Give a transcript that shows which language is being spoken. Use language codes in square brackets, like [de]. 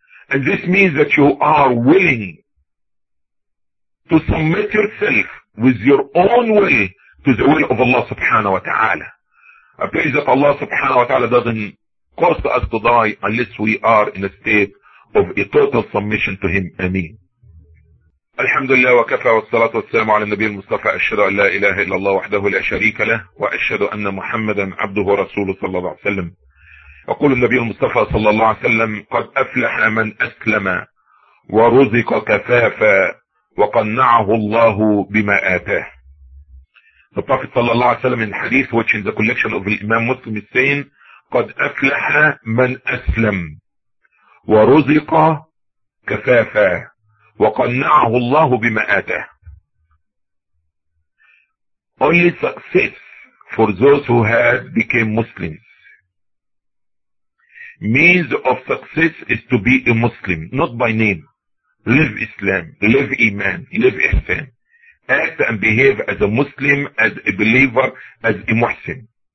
[en] And this means that you are willing to submit yourself with your own will to the will of Allah subhanahu wa ta'ala. I pray that Allah subhanahu wa ta'ala doesn't cause us to die unless we are in a state of a total submission to Him. Ameen. [ar] الحمد لله وكفى والصلاة والسلام على النبي المصطفى أشهد أن لا إله إلا الله وحده لا شريك له وأشهد أن محمدا عبده ورسوله صلى الله عليه وسلم. يقول النبي المصطفى صلى الله عليه وسلم: قد أفلح من أسلم ورزق كفافا وقنعه الله بما آتاه. [en] The Prophet [ar] صلى الله عليه وسلم [en] in hadith which in the collection of Imam Muslim is saying: [ar] قد أفلح من أسلم ورزق كفافا وَقَنَّعَهُ اللَّهُ بِمَا آتَهُ. [en] Only success for those who had became Muslims. Means of success is to be a Muslim, not by name. Live Islam, live Iman, live Ihsan. Act and behave as a Muslim, as a believer, as a Muhsin.